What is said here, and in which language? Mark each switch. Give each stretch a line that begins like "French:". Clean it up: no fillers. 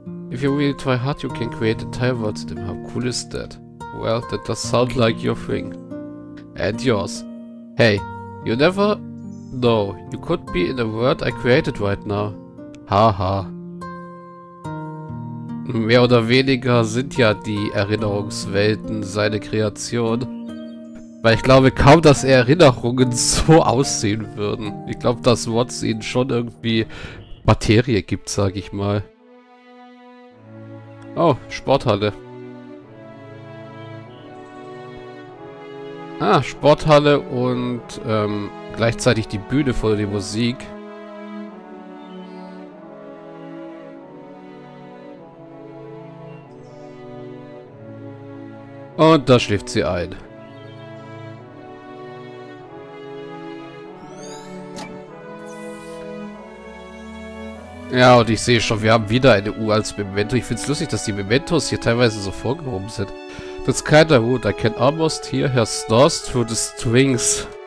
English: If you really try hard, you can create entire worlds in them. How cool is that? Well, that does sound like your thing. And yours. Hey. You never know. You could be in a world I created right now. Haha.
German: Mehr oder weniger sind ja die Erinnerungswelten seine Kreation. Weil ich glaube kaum, dass Erinnerungen so aussehen würden. Ich glaube, dass Watts ihnen schon irgendwie Materie gibt, sag ich mal. Oh, Sporthalle. Ah, Sporthalle und gleichzeitig die Bühne vor der Musik. Und da schläft sie ein. Ja, und ich sehe schon, wir haben wieder eine Uhr als Memento. Ich finde es lustig, dass die Mementos hier teilweise so vorgehoben sind.
English: That's kinda rude. I can almost hear her snores through the strings.